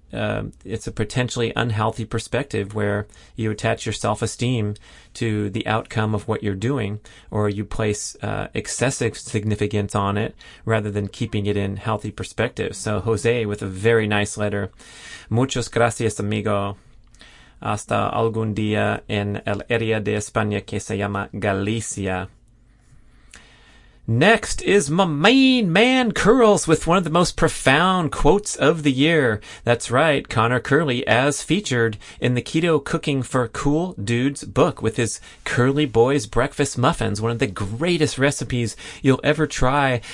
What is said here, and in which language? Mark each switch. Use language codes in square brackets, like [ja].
[en] it's a potentially unhealthy perspective where you attach your self-esteem to the outcome of what you're doing, or you place excessive significance on it rather than keeping it in healthy perspective. So Jose, with a very nice letter, [es] muchas gracias, amigo. Hasta algún día en el área de España que se llama Galicia. [en] Next is my main man, Curls, with one of the most profound quotes of the year. That's right, Connor Curley, as featured in the Keto Cooking for Cool Dudes book with his Curly Boys Breakfast Muffins, one of the greatest recipes you'll ever try.